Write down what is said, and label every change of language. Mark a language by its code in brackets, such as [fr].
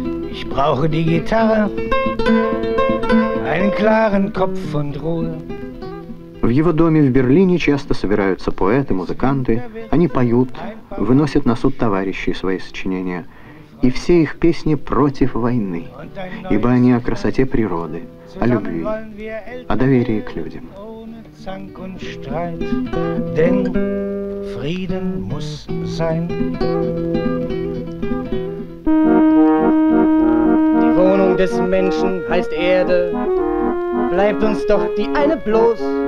[de] Ich brauche die Gitarre, einen klaren Kopf und Ruhe. [ru] В его доме в Берлине часто собираются поэты, музыканты. Они поют, выносят на суд товарищей свои сочинения. И все их песни против войны, ибо они о красоте природы, о любви, о доверии к людям. [de] Die Wohnung des Menschen heißt Erde, bleibt uns doch die eine bloß.